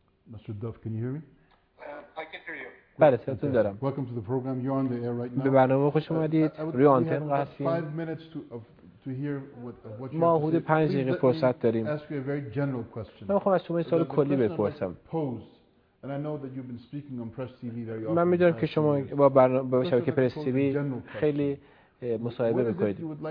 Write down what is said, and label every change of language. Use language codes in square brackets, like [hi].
[en] Mister Duff, can you hear me؟ I can hear you. [fa] بله، صداتون دارم. [en] Welcome to the program. You're on the air right now. [fa] به برنامه خوش اومدید. روی آنتن هستیم. [en] 5 minutes to hear what [fa] ما حدود 5 دقیقه فرصت داریم. [en] Ask you a very general question. [fa] من خواستم از شما یه سوال کلی بپرسم. [en] And I know that you've been speaking on Press TV very often. [fa] من میدونم که شما با شبکه پرس تی وی خیلی مصاحبه میکنید.